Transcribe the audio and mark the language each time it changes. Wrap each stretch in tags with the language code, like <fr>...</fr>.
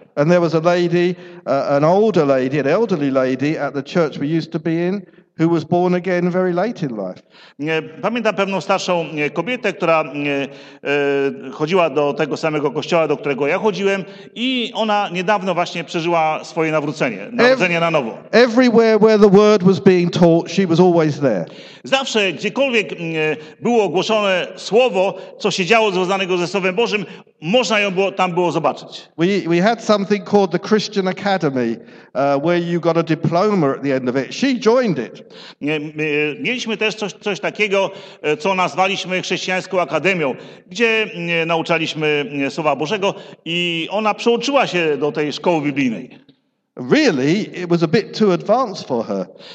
<en>And there was a lady, an older lady, an elderly lady at the church we used to be in, who was born again very late in life.</en> <pl>Pamiętam pewną starszą kobietę, która chodziła do tego samego kościoła, do którego ja chodziłem, i ona niedawno właśnie przeżyła swoje narodzenie na nowo.</pl> <en>Everywhere where the word was being taught, she was always there.</en> <pl>Zawsze, gdziekolwiek było ogłoszone słowo, co się działo związanego ze Słowem Bożym, można ją było tam było zobaczyć.</pl> <en>We had something called the Christian Academy, where you got a diploma at the end of it. She joined it.</en> <pl>Mieliśmy też coś takiego, co nazwaliśmy Chrześcijańską Akademią, gdzie nauczaliśmy Słowa Bożego, i ona przyłączyła się do tej szkoły biblijnej.</pl> <en>Really, it was a bit too advanced for her.</en>